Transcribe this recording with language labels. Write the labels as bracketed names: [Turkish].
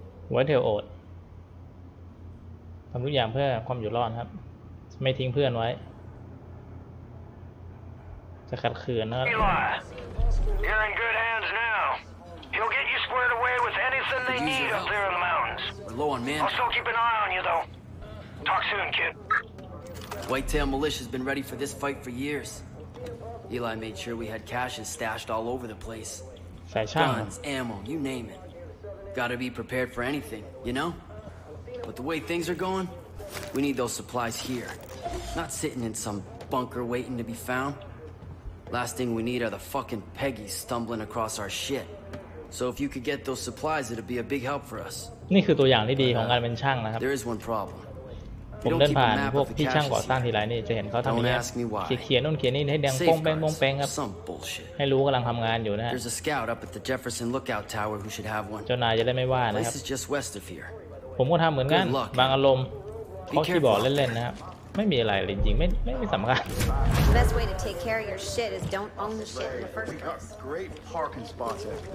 [Thai] ไว้เทลโอดทำทุกอย่างเพื่อความอยู่รอดครับไม่ทิ้งเพื่อนไว้จะขัดขืนนะ [English] You're in good hands now. He'll get you squared away with anything they need up there in the mountains. We're low on men. I'll still keep an eye on you though. Talk soon, kid. Whitetail Militia's been ready for this fight for years. Eli made sure we had caches stashed all over the place. Guns, ammo, you name it. Gotta be prepared for anything, you know? But the way things are going, we need those supplies here. Not sitting in some bunker waiting to be found. Last thing we need are the fucking Peggies stumbling across our shit. So if you could get those supplies, it'd be a big help for us. [Thai] นี่คือตัวอย่างที่ดีของการเป็นช่างนะครับ [English] There is one problem. [Thai] ผมเดินผ่านพวกพี่ช่างก่อสร้างทีไรนี่จะเห็นเขาทำเนี่ยเขียนนู่นเขียนนี่ให้แดงป้องแป้งป้องแป้งครับให้รู้กำลังทำงานอยู่นะ [English] There's a scout up at the Jefferson Lookout Tower who should have one. [Thai] เจ้านายจะได้ไม่ว่านะครับ [English] This is just west of here. [Thai] ผมก็ทำเหมือนกันบางอารมณ์เขาคีย์บอร์ดเล่นๆนะครับไม่มีอะไรจริงๆไม่สำคัญ [English] The best way to take care of your shit is don't own the shit in the first place. We got great parking spots after